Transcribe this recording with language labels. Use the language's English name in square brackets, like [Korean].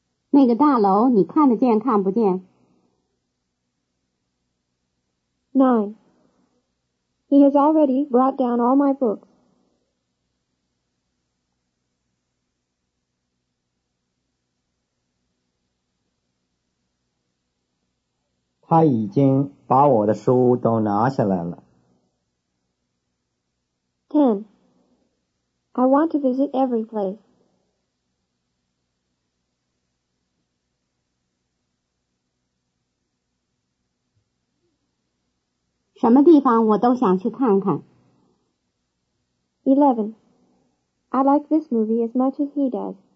[Chinese] 那个大楼你看得见看不见? 9. [English] He has already brought down all my books. [Chinese] 他已经把我的书都拿下来了。10. [English] I want to visit every place. [Chinese] 什么地方我都想去看看。11. [English] I like this movie as much as he does.